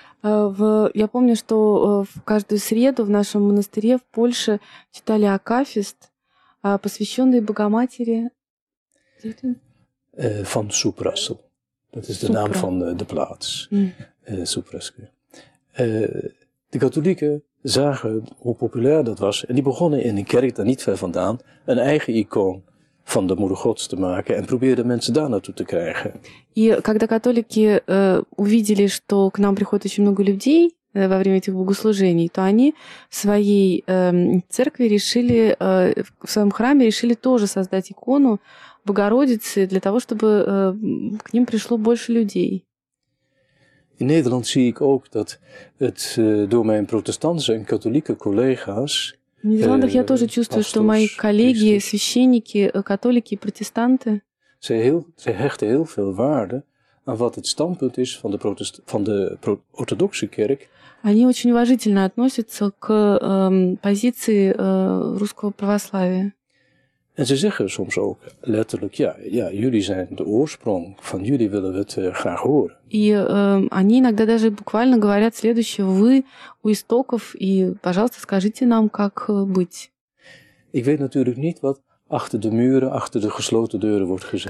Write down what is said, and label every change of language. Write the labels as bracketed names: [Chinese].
[Russian] Я помню, что в каждую среду в нашем монастыре в Польше читали акафист, посвященный Богоматери [Dutch] Van Soeprassel. Dat is de naam van de plaats. Soeprassel. De katholieken zagen hoe populair dat was en die begonnen in een kerk daar niet ver vandaan een eigen icoon van de Moeder Gods te maken en probeerden mensen daar naartoe te krijgen. [Russian] И когда католики увидели, что к нам приходит очень много людей во время этих богослужений, то они в своей церкви решили, в своем храме решили тоже создать икону Богородицы для того, чтобы к ним пришло больше людей. [Dutch] In Nederland zie ik ook dat het door mijn protestantse en katholieke collega's. [Russian] В Нидерландах я тоже чувствую, что мои коллеги, священники, католики и протестанты. [Dutch] Ze hechten heel veel waarde aan wat het standpunt is van de orthodoxe kerk. [Russian] Они очень уважительно относятся к позиции русского православия. [Dutch] En ze zeggen soms ook letterlijk, ja, jullie zijn de oorsprong, van jullie willen we het graag horen. [Russian] И они иногда даже буквально говорят следующее, вы у истоков, и пожалуйста, скажите нам, как быть. [Dutch] Ik weet natuurlijk niet wat achter de muren, achter de gesloten deuren wordt gezegd.